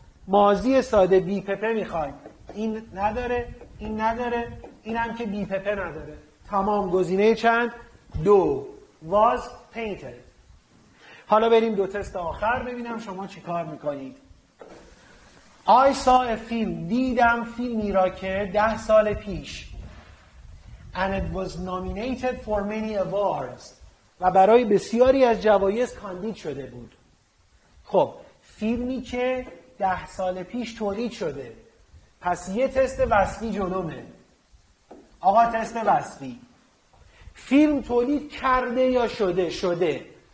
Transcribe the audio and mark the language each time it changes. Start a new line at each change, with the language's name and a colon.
Persian: ماضی ساده بی پپه میخوای، این نداره، این نداره، اینم که بی پپه نداره، تمام. گزینه چند؟ 2. واز پینتد. حالا بریم دو تست آخر ببینم شما چی کار میکنید. آی سا فیلم، دیدم فیلمی را که 10 سال پیش.
English: And it was nominated for many awards.
Persian: و برای بسیاری از جوایز کاندید شده بود. خب فیلمی که 10 سال پیش تولید شده. پس یه تست وصفی جلومه. آقا تست وصفی، فیلم تولید کرده یا شده؟ شده.